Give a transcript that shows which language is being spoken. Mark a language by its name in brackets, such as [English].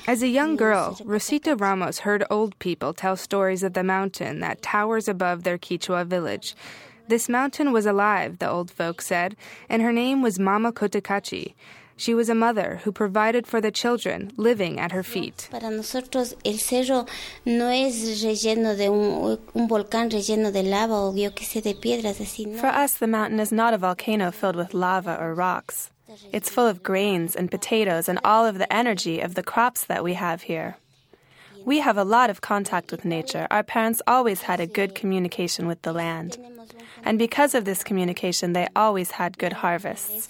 [English] As a young girl, Rosita Ramos heard old people tell stories of the mountain that towers above their Quechua village. This mountain was alive, the old folk said, and her name was Mama Cotacachi. She was a mother who provided for the children living at her feet. [Spanish] Para nosotros, el cerro no es relleno de un volcán relleno de lava o yo que sé de piedras, así, no. [English] For us, the mountain is not a volcano filled with lava or rocks. It's full of grains and potatoes and all of the energy of the crops that we have here. We have a lot of contact with nature. Our parents always had a good communication with the land. And because of this communication, they always had good harvests.